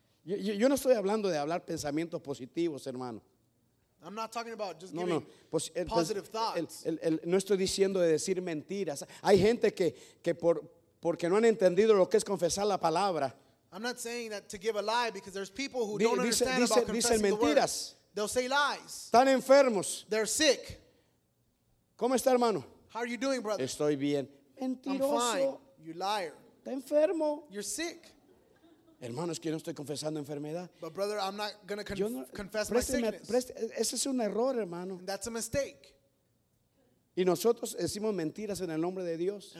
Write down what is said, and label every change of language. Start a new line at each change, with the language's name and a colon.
Spanish: Yo no estoy hablando de hablar pensamientos positivos, hermano.
English: I'm not talking about just giving positive thoughts.
Spanish: No estoy diciendo de decir mentiras. Hay gente que porque no han entendido lo que es confesar la palabra.
English: I'm not saying that to give a lie because there's people who don't understand about confessing.
Spanish: Dicen mentiras.
English: They'll say lies.
Spanish: Están enfermos.
English: They're sick.
Spanish: ¿Cómo está, hermano?
English: How are you doing, brother?
Spanish: Estoy bien. Mentiroso.
English: I'm fine. You liar.
Spanish: Está enfermo.
English: You're sick.
Spanish: Hermano, es que no estoy confesando enfermedad.
English: But brother, I'm not going to confess my sickness.
Spanish: Ese es un error, hermano.
English: And that's a mistake.
Spanish: Y nosotros decimos mentiras en el nombre de Dios.